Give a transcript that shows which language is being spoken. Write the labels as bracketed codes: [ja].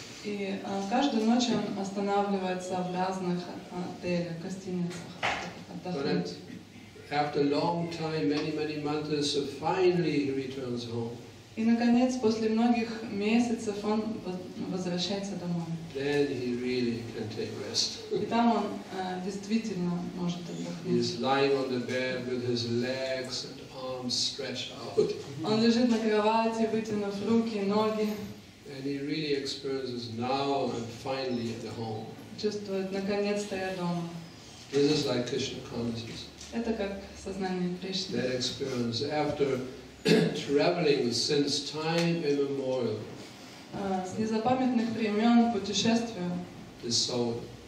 [ru] И каждую ночь он останавливается в разных отелях, гостиницах, отдохнуть. [en] After a long time, many months, so finally he returns home. [ru] И наконец, после многих месяцев, он возвращается домой. [en] Then he really can take rest. [ru] И там он действительно может отдохнуть. [en] He's lying on the bed with his legs and arms stretched out. [ru] Он лежит на кровати, вытянув руки, ноги. [en] And he really experiences now and finally at the home. [ru] Чувствует, наконец-то я дома. [en] This is like Krishna consciousness. [ru] Это как сознание Кришны. [en] That experience after traveling since time immemorial. [ru] С незапамятных времен путешествия. [en] The soul.